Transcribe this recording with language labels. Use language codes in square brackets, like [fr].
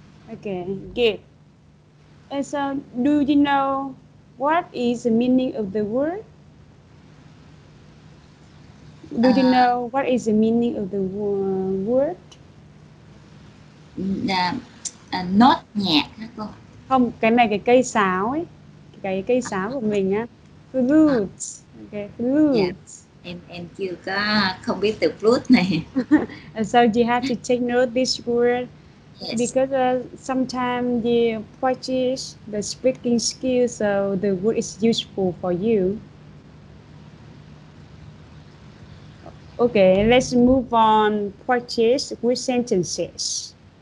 [en] Okay, good. And so, do you know what is the meaning of the word? Do you know what is the meaning of the word? [vi] Not nhạc hả cô? Không, cái này cái cây sáo ấy. Cái cây sáo của mình á. Flute. Okay, flute. [en] Yeah. [vi] Em chưa có không biết từ flute này. [en] So you have to take note this word. Yes. Because sometimes you practice the speaking skill, so the word is useful for you. Okay, let's move on practice with sentences.